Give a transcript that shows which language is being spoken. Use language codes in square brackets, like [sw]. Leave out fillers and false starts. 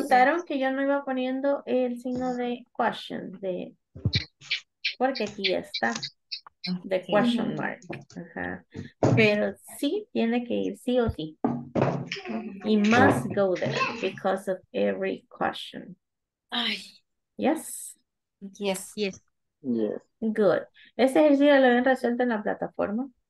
[es] ¿Notaron que yo no iba poniendo el signo de question? De, porque aquí está. [en] The question mark. [es] Ajá. Pero sí tiene que ir sí o sí. [en] He must go there because of every question. Yes. Good. [es] ¿Ese ejercicio lo ven resuelto en la plataforma?